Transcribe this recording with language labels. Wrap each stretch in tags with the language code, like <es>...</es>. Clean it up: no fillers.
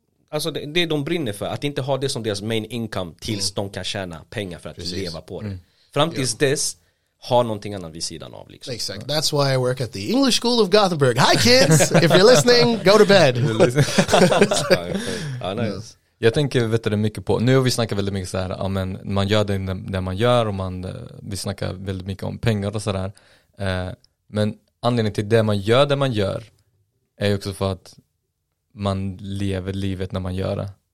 <sv>alltså det de brinner för. Att inte ha det som deras</sv> <en>main income</en> <sv>tills de kan tjäna pengar för att leva på det. Fram tills dess... ha någonting annat vid sidan av liksom.</sv> <en>Exactly. That's why I work at the English School of Gothenburg. Hi kids, if you're listening, go to bed.</en> <sv>Jag tänker vet du mycket på. Nu har vi snackat väldigt mycket så här, ja, men man gör det när man gör och vi snackar väldigt mycket om pengar och så där. Men anledningen till det man gör är ju också för att man lever livet när man gör det.</sv>